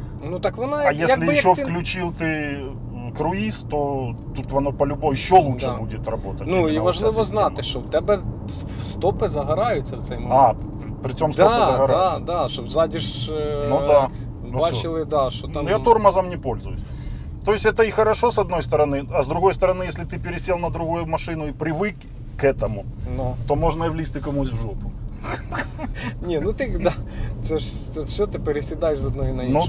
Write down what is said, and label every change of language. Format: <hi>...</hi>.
<uk>Ну так воно. А якщо ще включив ти круїз, то тут воно по-любому ще лучше буде працювати. Ну і важливо знати, що в тебе стопи загораються в цей момент. А, при цьому стопи загораються. Так, да, щоб ззаді ж бачили, да, що там.</uk> <ru>Ну я тормозом не пользуюсь. То есть это и хорошо, с одной стороны, а с другой стороны, если ты пересел на другую машину и привык к этому, то можно и</ru> <uk>влізти комусь в жопу. Ні, ну ти, да, це ж це все, ти пересідаєш з одної на іншу.</uk>